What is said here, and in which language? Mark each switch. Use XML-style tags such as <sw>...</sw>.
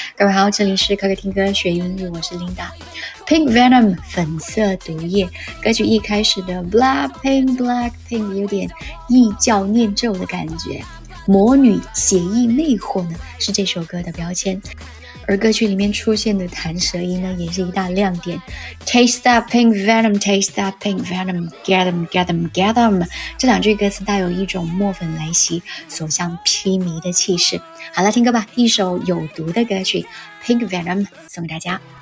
<zh>各位好，这里是可可听歌学英语，我是 Linda。Pink Venom 粉色毒液，歌曲一开始的 Blackpink Blackpink 有点异教念咒的感觉，魔女邪异魅惑呢是这首歌的标签，而歌曲里面出现的弹舌音呢也是一大亮点。</zh> <en>Taste that pink venom, taste that pink venom, get them, get them, get them,</en> <zh>这两句歌词带有一种墨粉来袭所向披靡的气势。好了，听歌吧，一首有毒的歌曲 Pink Venom 送给大家。</zh>